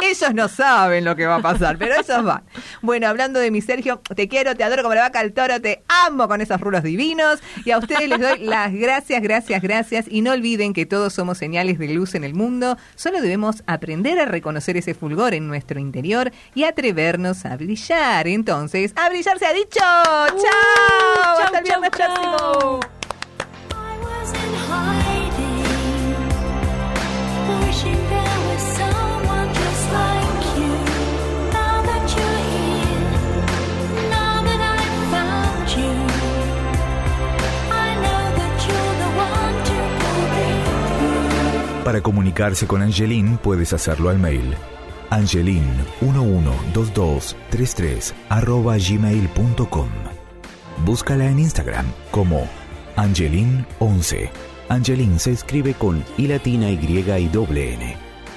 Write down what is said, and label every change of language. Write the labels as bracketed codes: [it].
[es] Ellos no saben lo que va a pasar, pero ellos van. Bueno, hablando de mi Sergio, te quiero, te adoro como la vaca al toro, te amo con esos rulos divinos, y a ustedes les doy las gracias, gracias, gracias, y no olviden que todos somos señales de luz en el mundo, solo debemos aprender a reconocer ese fulgor en nuestro interior y atrevernos a brillar. Entonces, ¡a brillar se ha dicho! ¡Chao! Chau, hasta el viernes próximo. [en] I was in hiding, wishing there was someone just like you. Now that you're here, now that I've found you, I know that you're the one to pull me through. [es] Para comunicarse con Angelín, puedes hacerlo al mail angelin112233@gmail.com. Búscala en Instagram como Angelin11. Angelin se escribe con I latina, Y griega y doble N.